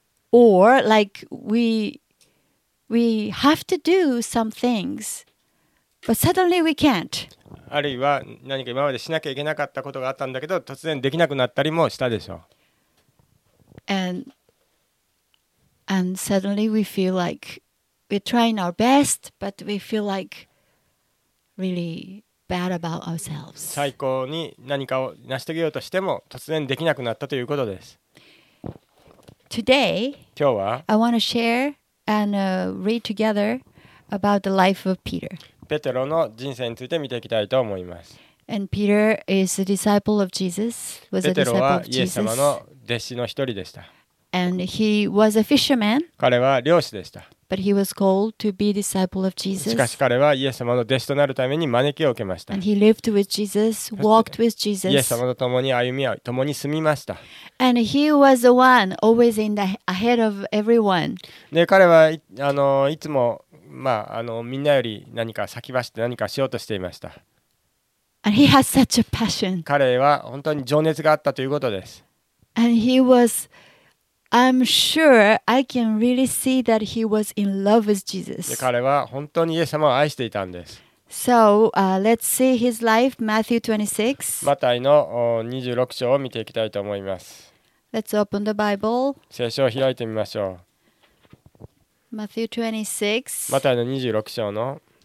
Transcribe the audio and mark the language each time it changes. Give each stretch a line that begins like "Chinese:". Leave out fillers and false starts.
English: Or like we have to do some things, but suddenly we can't.
Japanese: あるいは何か今までしなきゃいけなかったことがあったんだけど突然できなくなったりもしたでしょう。
English: And suddenly we feel like we're trying our best, but we feel like really bad about ourselves.
Japanese: 最高に何かを成し遂げようとしても突然できなくなったということです。
English: Today,
Japanese: 今日は
English: I want to share and read together about the life of Peter.
Japanese: ペテロの人生について見ていきたいと思います。
English: And Peter is a disciple of Jesus.
Japanese: ペテロはイエス様の弟子の一人でした。
English: And he was a fisherman.
Japanese: 彼は漁師でした。
English: But he was called to be disciple of Jesus.
Japanese: しかし彼はイエス様の弟子となるために招きを受けました。
English: And he lived with Jesus, walked with Jesus.
Japanese: イエス様と共に歩み合い、共に住みました。
English: And he was the one always in the ahead of everyone.
Japanese: で、彼はいつもみんなより何か先走って何かしようとしていました。
English: And he has such a passion.
Japanese: 彼は本当に情熱があったということです。
English: And he was, I'm sure I can really see that he was in love with Jesus.
Japanese: 彼は本当にイエス様を愛していたんです。
English: So, let's see his life, Matthew 26.
Japanese: マタイの26章を見ていきたいと思います。
English: Let's open the Bible.
Japanese: 聖書を開いてみましょう。
English: Matthew 26,
Japanese: マタイの26章の